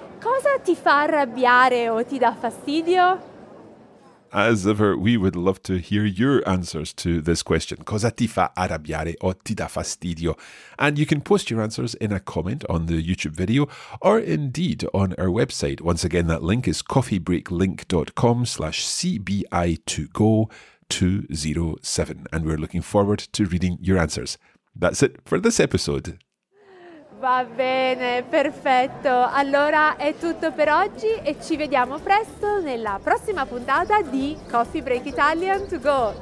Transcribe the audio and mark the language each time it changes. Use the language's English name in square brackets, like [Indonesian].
[Italian] Cosa ti fa arrabbiare o ti dà fastidio? [English] As ever, we would love to hear your answers to this question. [Italian] Cosa ti fa arrabbiare o ti dà fastidio? [English] And you can post your answers in a comment on the YouTube video or indeed on our website. Once again, that link is coffeebreaklink.com/CBI2Go207. And we're looking forward to reading your answers. That's it for this episode. [Italian] Va bene, perfetto. Allora è tutto per oggi e ci vediamo presto nella prossima puntata di Coffee Break Italian to Go.